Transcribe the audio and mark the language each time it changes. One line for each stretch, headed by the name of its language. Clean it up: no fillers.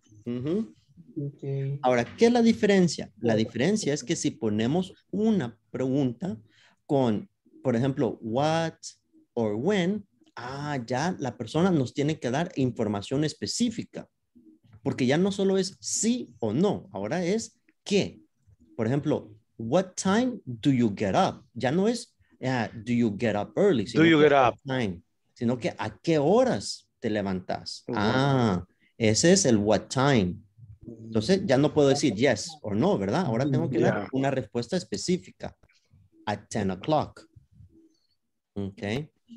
Spanish: Mm-hmm. Okay. Ahora, ¿qué es la diferencia? La diferencia es que si ponemos una pregunta con, por ejemplo,
English: what or when,
Spanish: ya la persona nos tiene que dar información específica. Porque ya no solo es sí o no, ahora es qué. Por ejemplo,
English: what time do you get up?
Spanish: Ya no es
English: do you get up early. Do you get up?
Spanish: Time, sino que a qué horas te levantas. Uh-huh. Ese es el
English: what time.
Spanish: Entonces ya no puedo decir yes o no, ¿verdad? Ahora tengo que dar una respuesta específica.
English: At 10 o'clock.
Spanish: Okay.